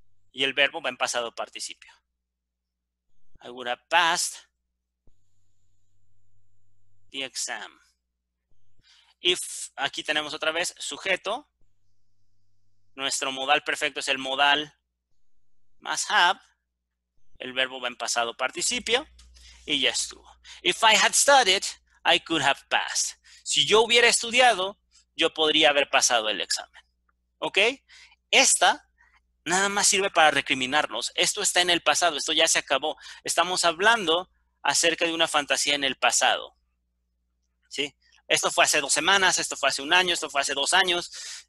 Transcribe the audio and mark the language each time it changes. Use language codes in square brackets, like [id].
[es] Y el verbo va en pasado participio. [en] I would have passed the exam. [es] If, aquí tenemos otra vez, sujeto. Nuestro modal perfecto es el modal más have. El verbo va en pasado participio. Y ya estuvo. [en] If I had studied, I could have passed. [es] Si yo hubiera estudiado, yo podría haber pasado el examen. ¿Ok? Esta... Nada más sirve para recriminarnos. Esto está en el pasado. Esto ya se acabó. Estamos hablando acerca de una fantasía en el pasado. ¿sí? Esto fue hace 2 semanas, esto fue hace 1 año, esto fue hace 2 años.